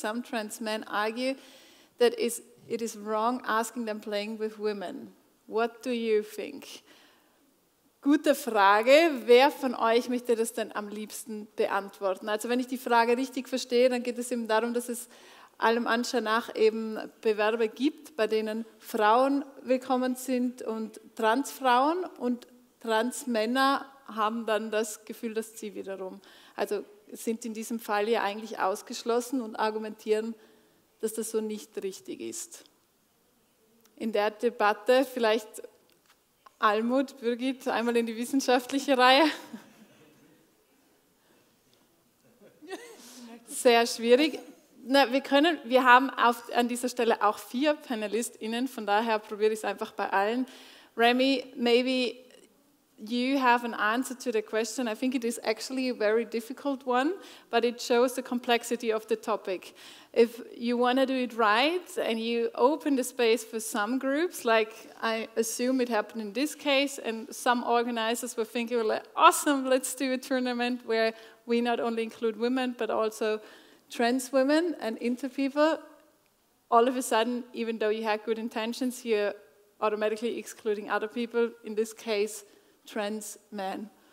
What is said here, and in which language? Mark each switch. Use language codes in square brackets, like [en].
[en] Some trans men argue that it is wrong asking them playing with women. What do you think? [de] Gute Frage. Wer von euch möchte das denn am liebsten beantworten? Also wenn ich die Frage richtig verstehe, dann geht es eben darum, dass es allem Anschein nach eben Bewerber gibt, bei denen Frauen willkommen sind und Transfrauen und Transmänner haben dann das Gefühl, dass sie wiederum, also sind in diesem Fall ja eigentlich ausgeschlossen und argumentieren, dass das so nicht richtig ist. In der Debatte vielleicht Almut, Birgit, einmal in die wissenschaftliche Reihe. Sehr schwierig. Na, wir haben an dieser Stelle auch 4 PanelistInnen, von daher probiere ich es einfach bei allen. [en] Remy, maybe you have an answer to the question. I think it is actually a very difficult one, but it shows the complexity of the topic. If you want to do it right and you open the space for some groups, like I assume it happened in this case, and some organizers were thinking, well, awesome, let's do a tournament where we not only include women, but also trans women and inter people, all of a sudden, even though you had good intentions, you're automatically excluding other people, in this case, trans men.